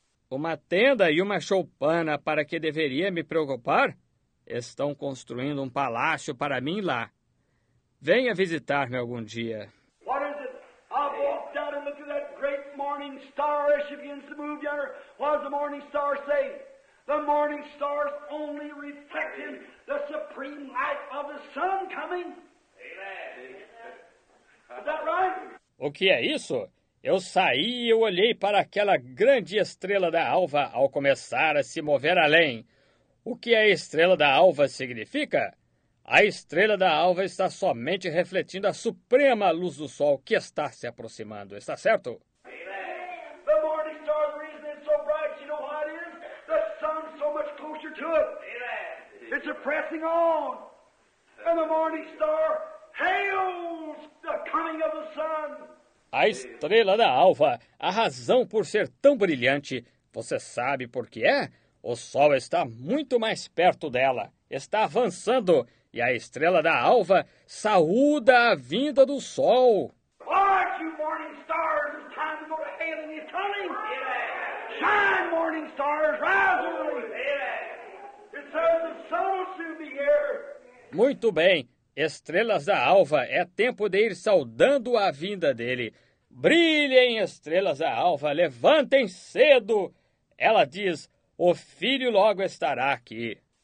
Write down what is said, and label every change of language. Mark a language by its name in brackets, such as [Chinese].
[Portuguese] Uma tenda e uma choupana para que deveria me preocupar? Estão construindo um palácio para mim lá. Venha visitar-me algum dia. [English] What is it? I walked out and looked at that great morning star as she begins to move yonder. What does the morning star say? The morning star's only reflecting the supreme light of the sun coming. Amen. Is that right? [Portuguese] O que é isso? Eu saí e olhei para aquela grande estrela da alva ao começar a se mover além. O que a estrela da alva significa? A estrela da alva está somente refletindo a suprema luz do sol que está se aproximando. Está certo? Amen. [English] The morning star, the reason it's so bright, you know how it is? The sun's so much closer to it. Amen. It's pressing on. And the morning star hails the coming of the sun. [Portuguese] A estrela da alva, a razão por ser tão brilhante, você sabe por que é? O sol está muito mais perto dela, está avançando, e a estrela da alva saúda a vinda do sol. [English] Watch, you morning stars, it's time to go to hail and he's coming. Shine, morning stars, rise early. It says the sun will soon be here. [Portuguese] Muito bem, estrelas da alva, é tempo de ir saudando a vinda dele. Brilhem, estrelas da alva, levantem cedo. Ela diz, o filho logo estará aqui.